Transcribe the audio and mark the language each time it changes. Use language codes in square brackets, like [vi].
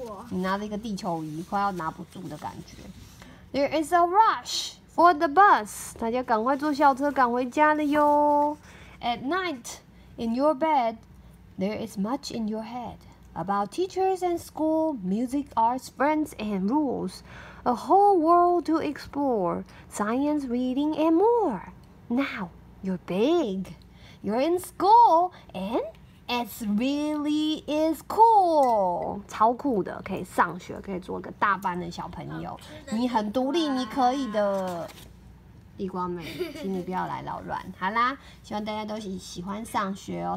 [zh] 你拿着一个地球仪，快要拿不住的感觉。 [en] There is a rush for the bus. [zh] 大家赶快坐校车赶回家了哟。 [en] At night, in your bed, there is much in your head about teachers and school, music, arts, friends, and rules. a whole world to explore, science, reading, and more. Now, you're big. You're in school, and it really is cool. [zh] 超酷的，可以上学，可以做个大班的小朋友。你很独立，你可以的。地瓜妹，请你不要来扰乱。好啦，希望大家都喜欢上学哦。